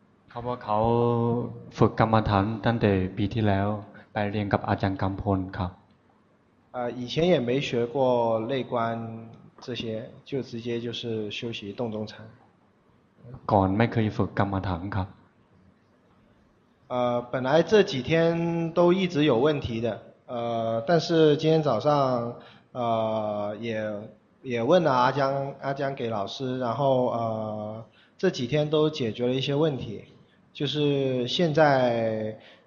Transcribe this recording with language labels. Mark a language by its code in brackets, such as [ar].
[th] เขาบอกเขาฝึกกรรมฐานตั้งแต่ปีที่แล้วไปเรียนกับอาจารย์กัมพลครับ [zh] 以前也没学过内观这些就直接就是修习洞中禅 [th] ก่อนไม่เคยฝึกกรรมฐานครับ [zh] 本来这几天都一直有问题的但是今天早上也问了阿江给老师然后这几天都解决了一些问题就是现在